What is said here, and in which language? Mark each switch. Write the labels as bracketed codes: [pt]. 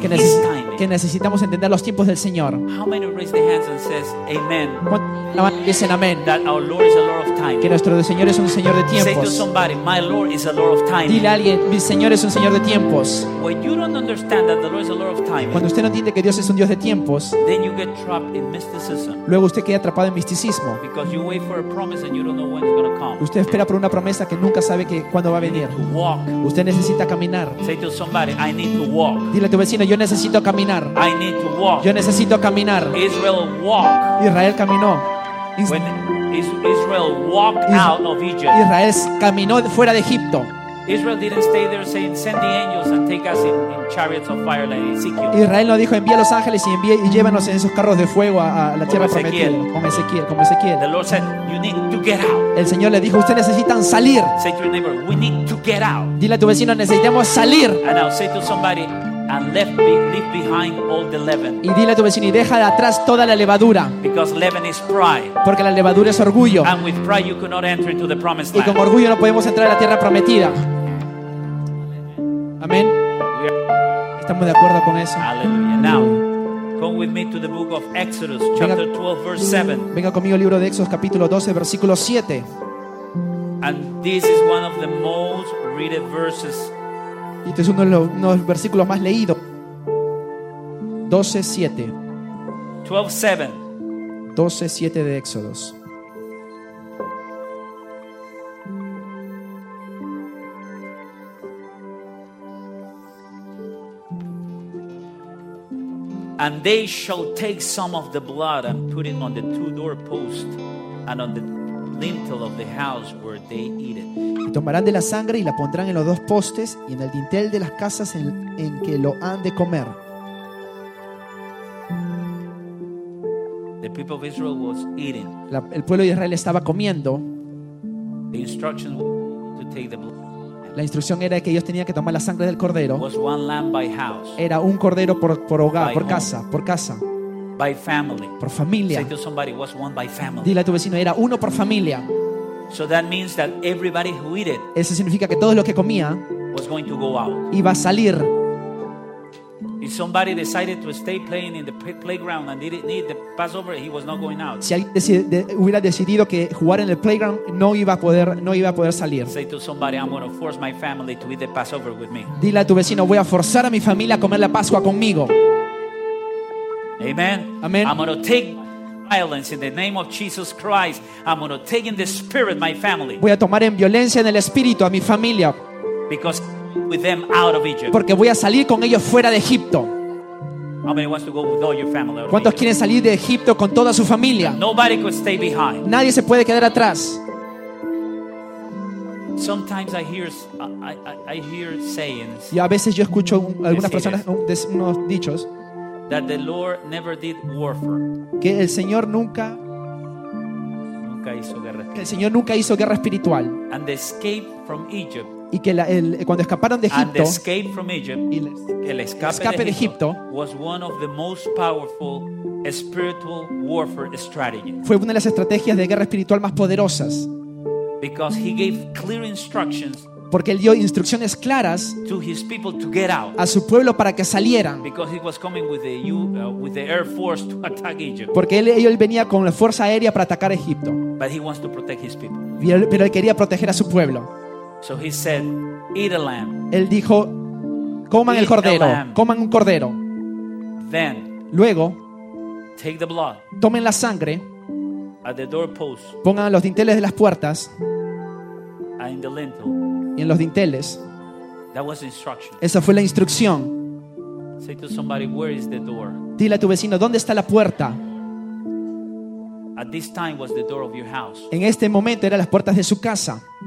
[es] que, que necesitamos entender los tiempos del Señor. [en] How many raise their hands and says amen? [es] Dicen amén. [en] That our Lord is a Lord of time. [es] Que nuestro Señor es un Señor de tiempos. [en] Say to somebody, my Lord is a Lord of time. [es] Dile a alguien, mi Señor es un Señor de tiempos. [en] When you don't understand that the Lord is a Lord of time, [es] cuando usted no entiende que Dios es un Dios de tiempos, [en] then you get trapped in mysticism. [es] Luego usted queda atrapado en misticismo. [en] Because you wait for a promise and you don't know when it's gonna come. [es] Usted espera por una promesa que nunca sabe que cuándo va a venir. [en] You need to walk. [es] Usted necesita caminar. [en] Say to somebody, I need to walk. [es] Dile a tu vecino, yo necesito caminar. [en] I need to walk. [es] Yo necesito caminar. [en] Israel walk. [es] Israel caminó. [en] When Israel walked out of Egypt. [es] Israel caminó fuera de Egipto. [en] Israel didn't stay there saying, "Send the angels and take us in chariots of fire like Ezekiel." [es] Israel no dijo, "Envía los ángeles y envíe y llévanos en esos carros de fuego a la tierra prometida." Como Ezequiel. [en] The Lord said, "You need to get out." [es] El Señor le dijo, "Ustedes necesitan salir." [en] Say to your neighbor, "We need to get out." [es] Dile a tu vecino, "Necesitamos salir." [en] And I'll say to somebody, and leave behind all the leaven. [es] Y dile a tu vecino y deja de atrás toda la levadura. [en] Because leaven is pride. [es] Porque la levadura es orgullo. [en] And with pride you cannot enter into the promised land. [es] Y con orgullo no podemos entrar a la tierra prometida. Amén. Estamos de acuerdo con eso. Aleluya. [en] Now, come with me to the book of Exodus, chapter 12, verse 7. [es] Venga conmigo al libro de Éxodos, capítulo 12, versículo 7. [en] And this is one of the most read verses. [es] Y este es uno de los versículos más leídos. 12:7 de Éxodos. [en] And they shall take some of the blood and put it on the two doorposts and on the lintel of the house where they eat it. [es] Y tomarán de la sangre y la pondrán en los dos postes y en el dintel de las casas en que lo han de comer. [en] The people of Israel was eating. [es] El pueblo de Israel estaba comiendo. [en] The instruction to take the blood. [es] La instrucción era que ellos tenían que tomar la sangre del cordero. [en] Was one lamb by house. [es] Era un cordero por hogar, por casa, por casa. [en] By family. [es] Por familia. [en] Say to somebody, was one by family. [es] Dile a tu vecino, era uno por familia. [en] So that means that everybody who ate it. [es] Eso significa que todo lo que comía [en] was going to go out. [es] Iba a salir. [en] If somebody decided to stay playing in the playground and didn't eat the Passover, he was not going out. [es] Si alguien hubiera decidido que jugar en el playground no iba a poder salir. [en] Say to somebody, I'm going to force my family to eat the Passover with me. [es] Dile a tu vecino, voy a forzar a mi familia a comer la Pascua conmigo. [en] Amen. [es] Amen. [en] I'm going to take violence in the name of Jesus Christ. I'm going to take in the spirit my family. [es] Voy a tomar en violencia en el espíritu a mi familia. [en] Because with them out of Egypt. [es] Porque voy a salir con ellos fuera de Egipto. [en] How many wants to go with all your family? [es] ¿Cuántos quieren salir de Egipto con toda su familia? [en] Nobody could stay behind. [es] Nadie se puede quedar atrás. [en] Sometimes I hear sayings. [es] Y a veces yo escucho algunas personas unos dichos. [en] That the Lord never did warfare. [es] Que el Señor nunca hizo guerra. Que el Señor nunca hizo guerra espiritual. [en] And the escape from Egypt. [es] Y que cuando escaparon de Egipto. [en] And the escape from Egypt. [es] Y el escape de Egipto [en] was one of the most powerful spiritual warfare strategy. [es] Fue una de las estrategias de guerra espiritual más poderosas. [en] Because he gave clear instructions. [es] Porque él dio instrucciones claras [en] to his people to get out. [es] A su pueblo para que salieran. [en] Because he was coming with the air force to attack Egypt. [es] Porque él venía con la fuerza aérea para atacar Egipto. [en] But he wants to protect his people. [es] Pero él quería proteger a su pueblo. [en] So he said, eat a lamb. [es] Él dijo, coman [en] eat [es] el cordero, coman un cordero. [en] Then, [es] luego, [en] take the blood. [es] Tomen la sangre. [en] At the doorpost. [es] Pongan los dinteles de las puertas. [en] And in the lintel. [es] Y en los dinteles. [en] That was instruction. [es] Esa fue la instrucción. [en] Say to somebody, where is the door? [es] Dile a tu vecino, ¿dónde está la puerta? [en] At this time was the door of your house. [es] En este momento eran las puertas de su casa.